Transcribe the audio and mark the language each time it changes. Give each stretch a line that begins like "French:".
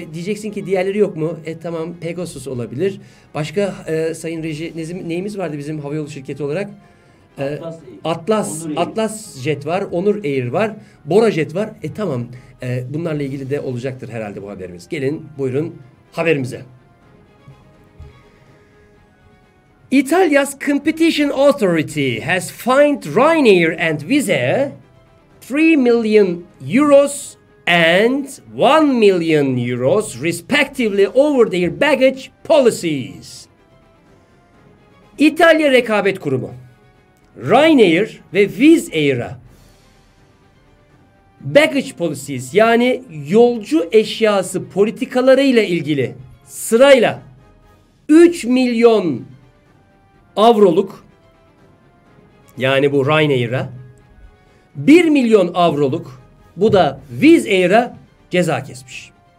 Turkish: Diyeceksin ki diğerleri yok mu? Tamam, Pegasus olabilir. Başka Sayın Reji, neyimiz vardı bizim havayolu şirketi olarak? Atlas Jet var, Onur Air var, Bora Jet var. Tamam, bunlarla ilgili de olacaktır herhalde bu haberimiz. Gelin buyurun haberimize.
English: İtalya's Competition Authority has fined Ryanair and Wizz Air 3 million euros and 1 million euros respectively over their baggage policies.
Turkish: İtalya Rekabet Kurumu Ryanair ve Wizz Air'a
English: baggage policies,
Turkish: yani yolcu eşyası politikalarıyla ilgili sırayla 3 milyon avroluk, yani bu Ryanair'a 1 milyon avroluk, bu da Wizz Air'a ceza kesmiş.